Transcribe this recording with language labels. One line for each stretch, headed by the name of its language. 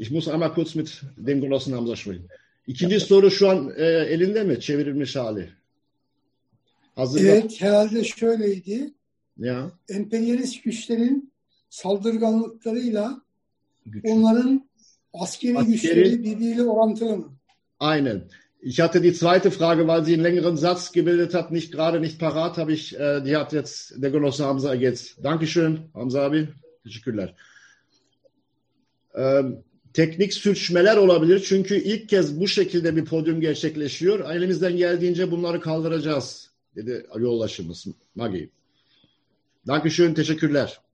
German: Ich muss einmal kurz mit dem Genossen Hamza sprechen.
Turkish: İkinci soru şu an elinde mi? Çevrilmiş hali. Hazırla. Evet, herhalde şöyleydi. Ya. Emperyalist güçlerin saldırganlıklarıyla onların askeri güçleri birbiriyle orantılı mı? Aynen.
German: Ich hatte die zweite Frage, weil sie einen längeren Satz gebildet hat, nicht gerade, nicht parat, habe ich, die hat jetzt der Genosse Hamza ergänzt. Dankeschön,
Turkish: Hamza abi. Teşekkürler. Teknik sürçmeler olabilir çünkü ilk kez bu şekilde bir podyum gerçekleşiyor. Elimizden geldiğince bunları kaldıracağız dedi yoldaşımız Magi.
German: Dankeschön,
Turkish: teşekkürler.